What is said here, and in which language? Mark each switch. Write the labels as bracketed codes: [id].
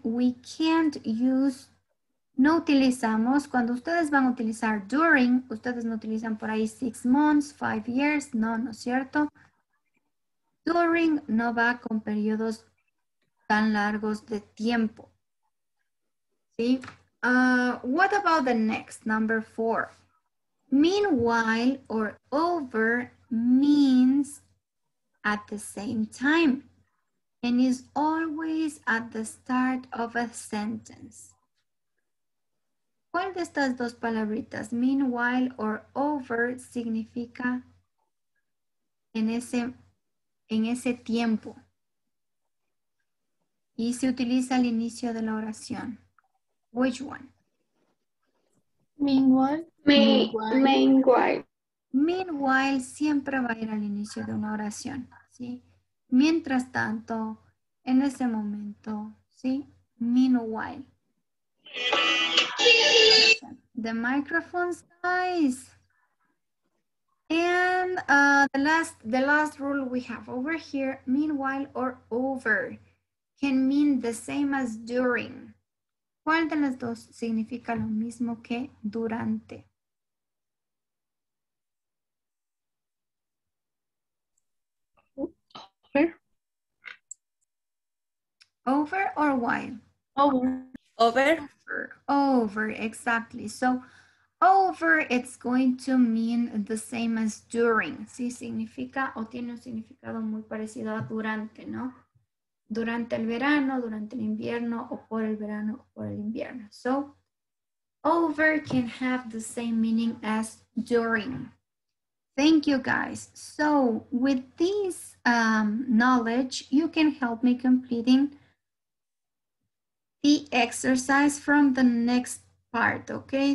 [en] We can't use, [es] no utilizamos. Cuando ustedes van a utilizar during, ustedes no utilizan por ahí [en] 6 months, 5 years. [es] No, no es cierto. During no va con periodos tan largos de tiempo. [en] ¿Sí? What about the next, number 4? Meanwhile or over means at the same time and is always at the start of a sentence. [es] ¿Cuál de estas dos palabritas, [en] meanwhile or over, [es] significa en ese tiempo? Y se utiliza al inicio de la oración. [en] Which one? Meanwhile [es] siempre va a ir al inicio de una oración, ¿sí? Mientras tanto, en ese momento, ¿sí? Meanwhile. [en] The microphones, guys. And the last rule we have over here, meanwhile or over, can mean the same as during. [es] ¿Cuál de las dos significa lo mismo que durante? [en] Over or while? Over, exactly. So, over, it's going to mean the same as during. [es] Sí, significa o tiene un significado muy parecido a durante, ¿no? Durante el verano, durante el invierno, o por el verano, o por el invierno. [en] So, over can have the same meaning as during. Thank you, guys. So, with this knowledge, you can help me completing the exercise from the next part, okay?